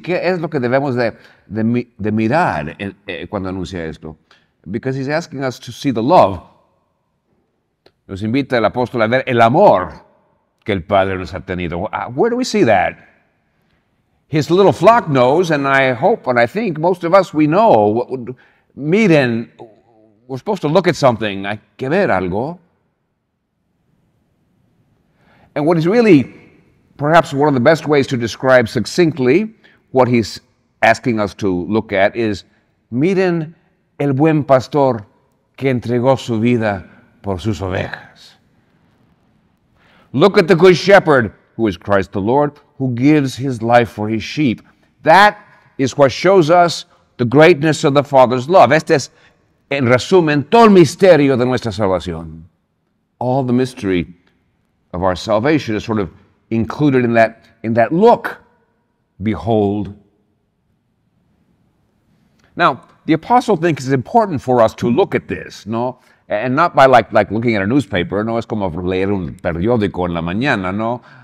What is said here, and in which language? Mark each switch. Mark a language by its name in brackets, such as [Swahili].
[Spanish] ¿Qué es lo que debemos de mirar cuando anuncia esto? [English] Because he's asking us to see the love. [Spanish] Nos invita el apóstol a ver el amor que el Padre nos ha tenido. [English] Where do we see that? His little flock knows, and I hope and I think most of us, we know. Miren, we're supposed to look at something. [Spanish] Hay que ver algo. [English] And what is really, perhaps one of the best ways to describe succinctly what he's asking us to look at is, [Spanish] miren el buen pastor que entregó su vida por sus ovejas. [English] Look at the good shepherd, who is Christ the Lord, who gives his life for his sheep. That is what shows us the greatness of the Father's love. [Spanish] Este es, en resumen, todo el misterio de nuestra salvación. [English] All the mystery of our salvation is sort of included in that look, behold. Now, the apostle thinks it's important for us to look at this, no? And not by like looking at a newspaper, no? [Spanish] Es como leer un periódico en la mañana, no?